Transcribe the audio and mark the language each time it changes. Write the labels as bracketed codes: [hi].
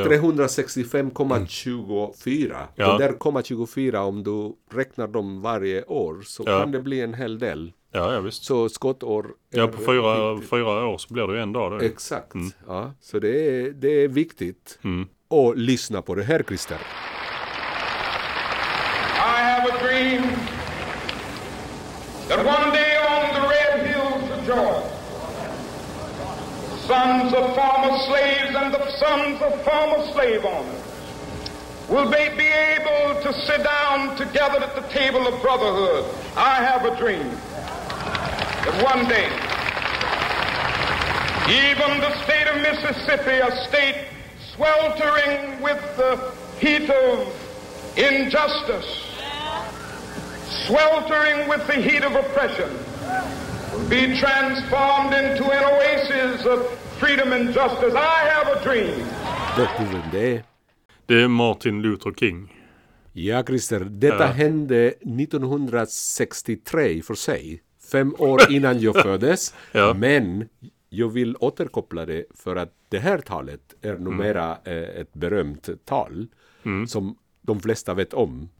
[sv] är 365,24. Mm. Ja. Den där 0,24 om du räknar dem varje år. Så kan det bli en hel del. Ja, visst. Så skottår... Ja, på fyra år så blir det ju en dag. Då. Exakt. Mm. Ja, så det är viktigt att lyssna på det här, Christer. [en] I have a dream that one day on the red hills of Georgia, sons of former slaves and the sons of former slave owners will be able to sit down together at the table of brotherhood. I have a dream. That one day, even the state of Mississippi, a state sweltering with the heat of injustice, sweltering with the heat of oppression, will be transformed into an oasis of freedom and justice. I have a dream. [sv] Det är det. Det är Martin Luther King. Ja, Christer, detta hände 1963 för sig. 5 år innan jag föddes. Ja. Men jag vill återkoppla det för att det här talet är numera ett berömt tal som de flesta vet om.